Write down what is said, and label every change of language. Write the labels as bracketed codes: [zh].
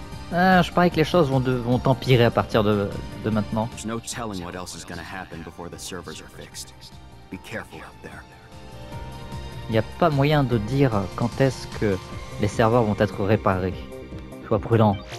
[fr] Je parie que les choses vont empirer à partir de maintenant. [en] There's no telling what else is gonna happen before the servers are fixed. Be careful out there. [fr] Il n'y a pas moyen de dire quand est-ce que les serveurs vont être réparés. Sois prudent.